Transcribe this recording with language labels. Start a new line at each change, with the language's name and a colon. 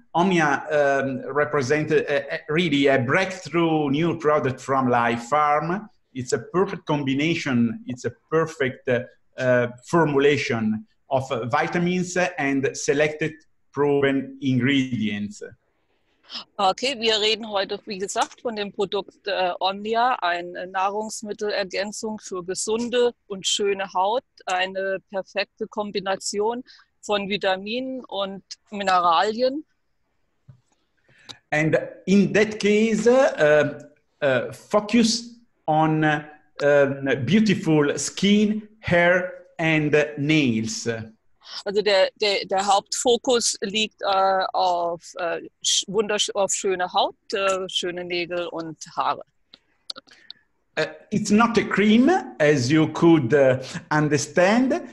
English: Omnia represents really a breakthrough new product from Life Farm. It's a perfect combination, it's a perfect formulation of vitamins and selected proven ingredients.
German: Okay, wir reden heute, wie gesagt, von dem Produkt Omnia, eine Nahrungsmittelergänzung für gesunde und schöne Haut, eine perfekte Kombination von Vitaminen und Mineralien.
English: And in that case, focus on beautiful skin, hair and nails.
German: Also der Hauptfokus liegt auf auf schöne Haut, schöne Nägel und Haare.
English: It's not a cream, as you could understand.